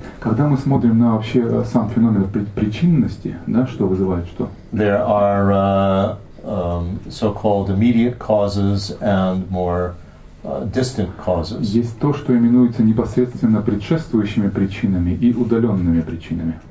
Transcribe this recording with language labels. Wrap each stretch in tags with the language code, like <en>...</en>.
<ru>Когда мы смотрим на вообще сам феномен причинности, да, что вызывает что?</ru> <en>There are so-called immediate causes and more distant causes.</en> <ru>Есть то, что именуется непосредственно предшествующими причинами и удаленными причинами.</ru>